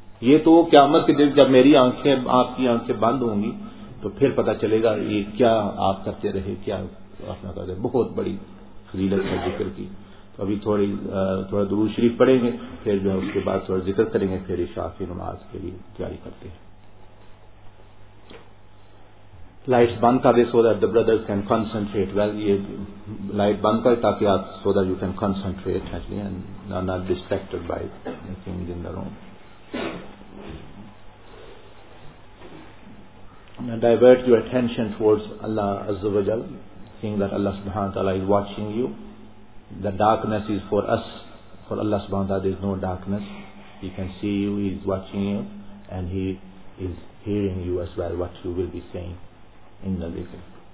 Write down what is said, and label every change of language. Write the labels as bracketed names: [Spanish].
[Urdu] یہ تو قیامت کے دن جب میری آنکھیں آپ کی آنکھیں بند ہوں گی تو پھر پتہ چلے گا یہ کیا آپ کرتے رہے, کیا اپنا کرتے. بہت بڑی فضیلت ہے ذکر کی. تو ابھی تھوڑا درود شریف پڑھیں گے, پھر جو ہے اس کے بعد تھوڑا ذکر کریں گے, پھر عشاء کی نماز کے لیے تیاری کرتے ہیں. لائٹس بند کر دے [English] So that the brothers can concentrate. Well [Urdu] یہ لائٹ بند کر تاکہ آپ [English] So that you can concentrate and not distracted by things in the room. Divert your attention towards اللہ عز و جل, seeing that اللہ سبحانہ تعالیٰ is watching you. The darkness is for us, for Allah subhanahu wa ta'ala there is no darkness. He can see you, He is watching you, and He is hearing you as well, what you will be saying in the living.